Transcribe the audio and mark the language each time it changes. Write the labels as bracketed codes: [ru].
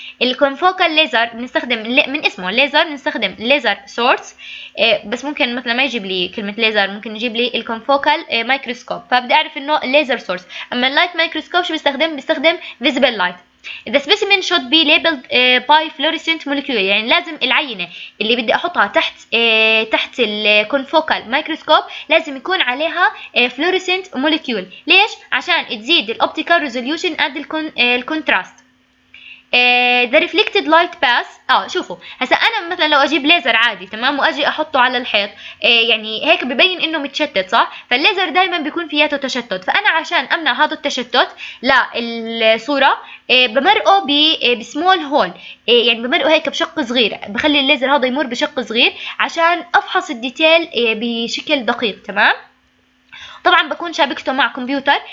[ar] الكونفوكال ليزر بنستخدم من اسمه ليزر، بنستخدم ليزر سورس بس ممكن مثلا ما يجيب لي كلمه ليزر، ممكن يجيب لي الكونفوكال مايكروسكوب، فبدي اعرف انه ليزر سورس. اما اللايت مايكروسكوب شو بيستخدم؟ بيستخدم فيزيبل لايت. [en] The specimen should be labeled by fluorescent molecule، [ar] يعني لازم العينة اللي بدي أحطها تحت تحت الconfocal microscope لازم يكون عليها fluorescent molecule. ليش؟ عشان تزيد [en] the optical resolution and the contrast. The reflected light pass [ar] شوفوا هسا أنا مثلا لو أجيب ليزر عادي تمام وأجي أحطه على الحيط يعني هيك ببين إنه متشتت صح؟ فالليزر دايما بيكون فيه تشتت، فأنا عشان أمنع هذا التشتت للصورة بمرقه بسمول هول، يعني بمرقه هيك بشق صغير، بخلي الليزر هذا يمر بشق صغير عشان أفحص الديتيل بشكل دقيق تمام؟ طبعا بكون شابكته مع كمبيوتر.